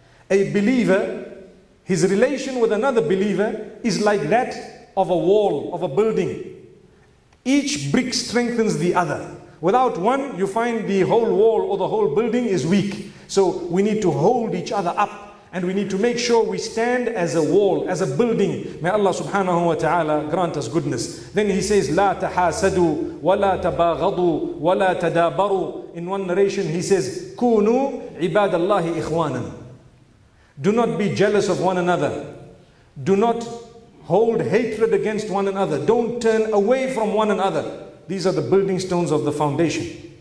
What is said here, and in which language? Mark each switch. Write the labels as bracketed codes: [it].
[en] A believer, his relation with another believer is like that of a wall, of a building. Each brick strengthens the other. Without one, you find the whole wall or the whole building is weak. So we need to hold each other up, and we need to make sure we stand as a wall, as a building. May Allah subhanahu wa ta'ala grant us goodness. Then he says, [ar] لا تحاسدوا ولا تباغضوا ولا تدابروا. [en] In one narration he says, [ar] كونوا عباد الله إخوانا. [en] Do not be jealous of one another. Do not hold hatred against one another. Don't turn away from one another. These are the building stones of the foundation.